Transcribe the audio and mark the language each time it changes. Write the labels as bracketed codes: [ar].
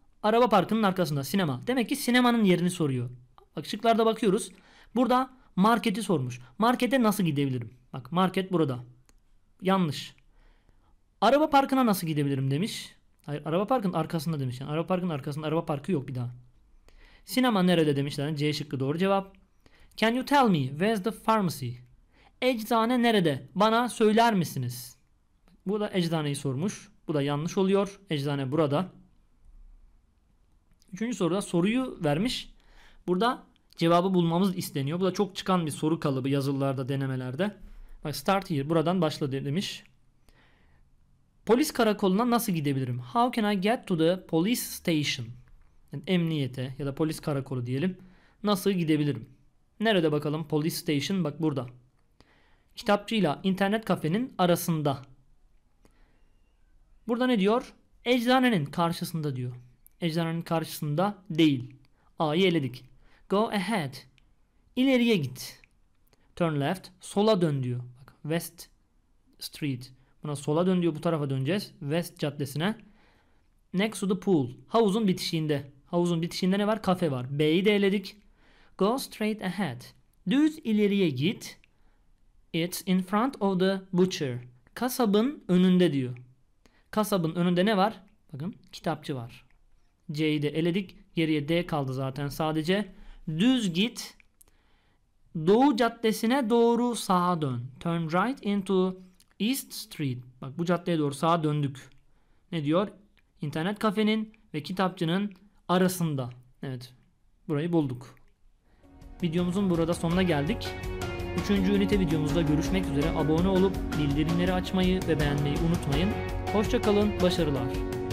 [tr] Araba parkının arkasında. Sinema. Demek ki sinemanın yerini soruyor. Bak şıklarda bakıyoruz. Burada marketi sormuş. Markete nasıl gidebilirim? Bak market burada. Yanlış. Araba parkına nasıl gidebilirim demiş. Hayır, araba parkının arkasında demiş. Yani araba parkının arkasında araba parkı yok bir daha. Sinema nerede demişler. C şıkkı doğru cevap. [en] Can you tell me where's the pharmacy? [tr] Eczane nerede? Bana söyler misiniz? Bu da eczaneyi sormuş. Bu da yanlış oluyor. Eczane burada. Üçüncü soruda soruyu vermiş. Burada cevabı bulmamız isteniyor. Bu da çok çıkan bir soru kalıbı yazılılarda, denemelerde. Bak [en] start here. [tr] Buradan başla demiş. Polis karakoluna nasıl gidebilirim? [en] How can I get to the police station? [tr] Yani emniyete ya da polis karakolu diyelim. Nasıl gidebilirim? Nerede bakalım? [en] Police station [tr] bak burada. kitapçıyla internet kafenin arasında. Burada ne diyor? Eczanenin karşısında diyor. Eczanenin karşısında değil. A'yı eledik. [en] Go ahead. [tr] İleriye git. [en] Turn left. [tr] Sola dön diyor. Bak, West Street. Buna sola dön diyor. Bu tarafa döneceğiz. West Caddesi'ne. [en] Next to the pool. [tr] Havuzun bitişiğinde. Havuzun bitişiğinde ne var? Kafe var. B'yi de eledik. [en] Go straight ahead. [tr] Düz ileriye git. [en] It's in front of the butcher. [tr] Kasabın önünde diyor. Kasabın önünde ne var? Bakın, kitapçı var. C'yi de eledik. Geriye D kaldı zaten sadece. Düz git. Doğu caddesine doğru sağa dön. [en] Turn right into East Street. [tr] Bak, bu caddeye doğru sağa döndük. Ne diyor? İnternet kafenin ve kitapçının arasında. Evet. Burayı bulduk. Videomuzun burada sonuna geldik. 3. ünite videomuzda görüşmek üzere. Abone olup bildirimleri açmayı ve beğenmeyi unutmayın. Hoşça kalın. Başarılar.